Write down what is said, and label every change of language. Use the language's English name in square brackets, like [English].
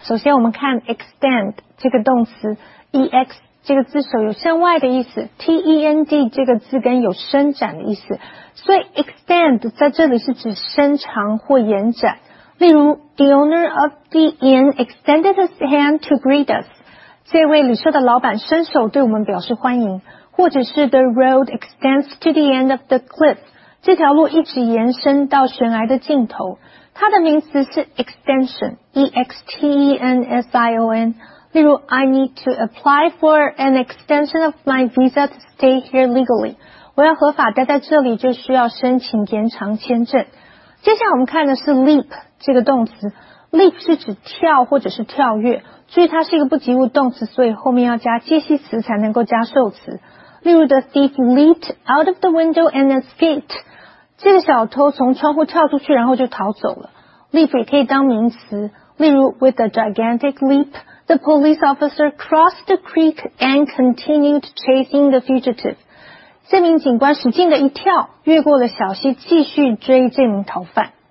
[Chinese] 首先我们看 extend 这个动词 ,ex 这个字首有向外的意思 ,tend 这个字根有伸展的意思。所以 extend 在这里是指伸长或延展。例如 [English] ,the owner of the inn extended his hand to greet us. [Chinese] 这位旅社的老板伸手对我们表示欢迎。或者是 [English] ,the road extends to the end of the cliff. [Chinese] 这条路一直延伸到悬崖的尽头。它的名词是 [English] extension, E-X-T-E-N-S-I-O-N, 例如 I need to apply for an extension of my visa to stay here legally. [Chinese] 我要合法待在这里就需要申请延长签证。接下来我们看的是 leap, 这个动词。leap 是指跳或者是跳跃。注意它是一个不及物动词，所以后面要加介系词才能够加受词。例如 [English] the thief leaped out of the window and escaped. [Chinese] 这个小偷从窗户跳出去然后就逃走了。 leap 也可以当名词，例如 [English] with a gigantic leap, the police officer crossed the creek and continued chasing the fugitive. [Chinese] 这名警官使劲的一跳，越过了小溪，继续追这名逃犯。